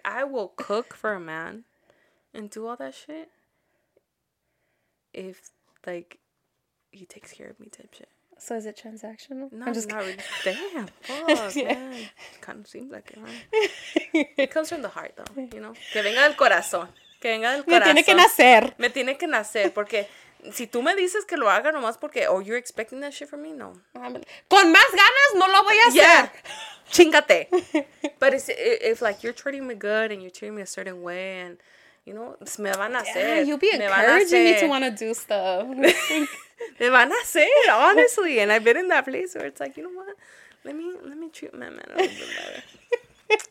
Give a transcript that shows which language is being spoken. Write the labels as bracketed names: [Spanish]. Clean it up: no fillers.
[English] I will cook for a man and do all that shit if, like, he takes care of me type shit. So is it transactional? No, I'm just not really. Damn. Fuck, yeah. Man. Kind of seems like it, right? It comes from the heart, though, you know? [Spanish] Que venga del corazón. Que venga del corazón. Me tiene que nacer. Me tiene que nacer porque... Si tú me dices que lo haga nomás porque... [English] Oh, you're expecting that shit from me? No. [Spanish] Con más ganas no lo voy a hacer. [English] Yeah. Chingate. But if like you're treating me good and you're treating me a certain way and, you know, [Spanish] me van a hacer. [English] Yeah, you'll be encouraging me to want to do stuff. [Spanish] Me van a hacer, honestly. [English] And I've been in that place where it's like, you know what? Let me treat my man a little bit better.